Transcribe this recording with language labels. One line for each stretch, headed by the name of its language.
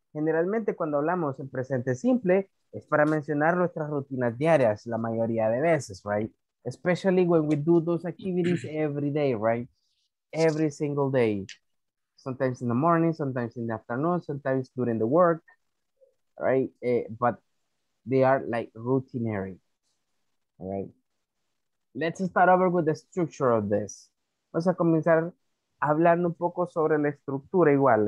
Spanish: Generalmente cuando hablamos en presente simple es para mencionar nuestras rutinas diarias la mayoría de veces, right?
English: Especially when we do those activities every day, right? Every single day. Sometimes in the morning, sometimes in the afternoon, sometimes during the work, right? But they are like routinary. All right, let's start over with the structure of this.
Spanish: Vamos a comenzar hablando un poco sobre la estructura igual.